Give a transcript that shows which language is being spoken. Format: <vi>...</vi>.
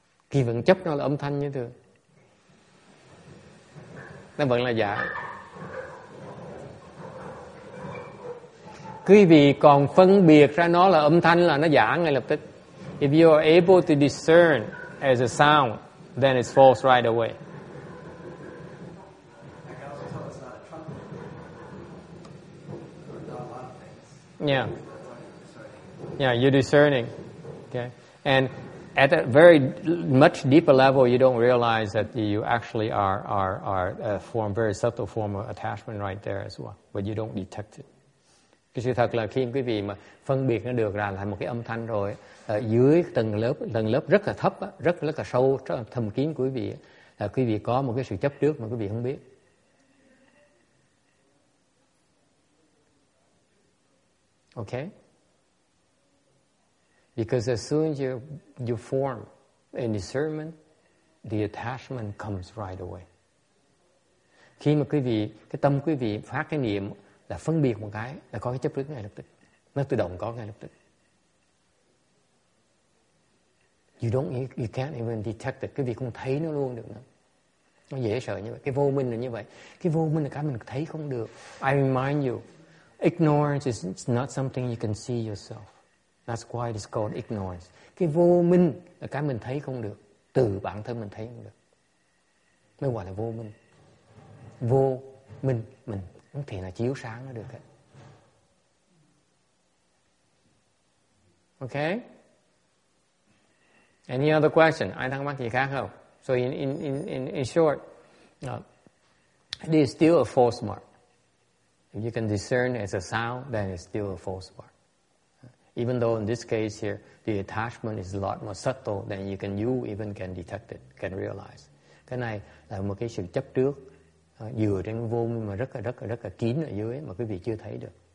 <vi>Khi vẫn chấp nó là âm thanh như thường. Nó vẫn là giả. Quý vị còn phân biệt ra nó là âm thanh là nó giả ngay lập tức.</vi> <en>If you are able to discern as a sound, then it's false right away. Yeah, you're discerning. Okay. And at a very much deeper level, you don't realize that you actually are a form, very subtle form of attachment right there as well. But you don't detect it.</en> <vi>Cái sự thật là khi quý vị mà phân biệt nó được ra là một cái âm thanh rồi, dưới tầng lớp rất là thấp, rất là sâu, rất là thâm kín của quý vị có một cái sự chấp trước mà quý vị không biết. Okay?</vi> <en>Because as soon as you form a discernment, the attachment comes right away.</en> <vi>Khi mà quý vị, cái tâm quý vị phát cái niệm là phân biệt một cái, là có cái chấp trước ngay lập tức. Nó tự động có ngay lập tức.</vi> <en>You can't even detect it.</en> <vi>Quý vị không thấy nó luôn được nữa. Nó dễ sợ như vậy. Cái vô minh là như vậy. Cái vô minh là cái mình thấy không được.</vi> <en>I remind you, ignorance is not something you can see yourself. That's why it's called ignorance.</en> <vi>Cái vô minh là cái mình thấy không được. Từ bản thân mình thấy không được. Mới gọi là vô minh. Vô minh, mình không thể nào chiếu sáng nó được. Ấy. Okay?</vi> <en>Any other question?</en> <vi>Ai thắc mắc gì khác không?</vi> <en>So in short, it is still a false mark. If you can discern as a sound, then it's still a false mark. Even though in this case here, the attachment is a lot more subtle than you can detect it, can realize.</en> <vi>Cái này là một cái sự chấp trước dựa trên vô minh mà rất là kín ở dưới mà quý vị chưa thấy được.</vi>